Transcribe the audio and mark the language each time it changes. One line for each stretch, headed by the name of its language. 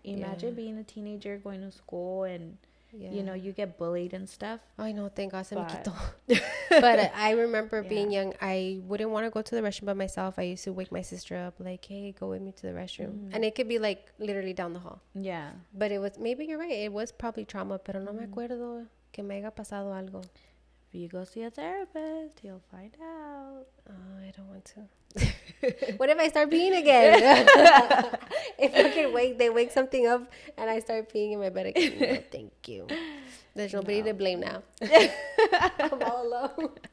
English: Imagine being a teenager going to school and, you know, you get bullied and stuff. I know. Thank God. But I remember being young. I wouldn't want to go to the restroom by myself. I used to wake my sister up like, hey, go with me to the restroom. Mm. And it could be like literally down the hall. Yeah. But it was, maybe you're right. It was probably trauma.
Spanish: Pero no me acuerdo que me haya pasado algo.
English: If you go see a therapist, you'll find out. Oh, I don't want to. What if I start peeing again? If I can wake, they wake something up and I start peeing in my bed again. No, thank you. There's nobody to blame now. I'm all alone.